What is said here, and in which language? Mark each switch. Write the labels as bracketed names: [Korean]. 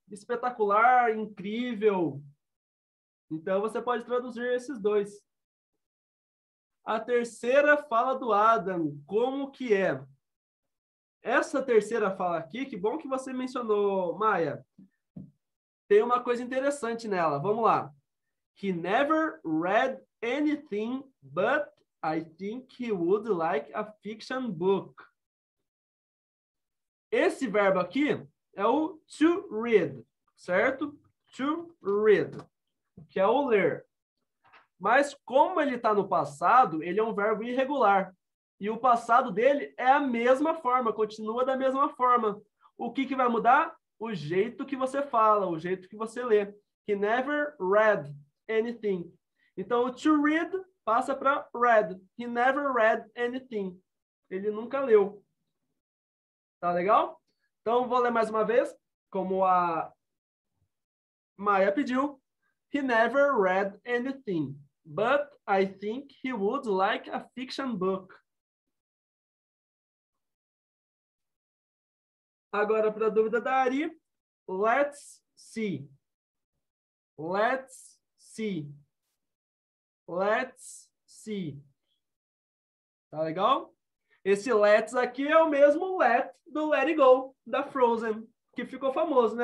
[Portuguese] Espetacular, incrível. Então, você pode traduzir esses dois. A terceira fala do Adam, como que é? Essa terceira fala aqui, que bom que você mencionou, Maia. Tem uma coisa interessante nela. Vamos lá. [English] He never read anything, but I think he would like a fiction book. [Portuguese] Esse verbo aqui é o to read, certo? To read, que é o ler. Mas como ele está no passado, ele é um verbo irregular. E o passado dele é a mesma forma, continua da mesma forma. O que que vai mudar? O jeito que você fala, o jeito que você lê. [English] He never read anything. [Portuguese] Então, o to read passa para read. [English] He never read anything. [Portuguese] Ele nunca leu. Tá legal? Então, vou ler mais uma vez, como a Maia pediu. [English] He never read anything, but I think he would like a fiction book. [Portuguese] Agora, para a dúvida da Ari, [English] let's see. Let's see. Let's see. [Portuguese] Tá legal? Esse let's aqui é o mesmo let do Let It Go, da Frozen, que ficou famoso, né?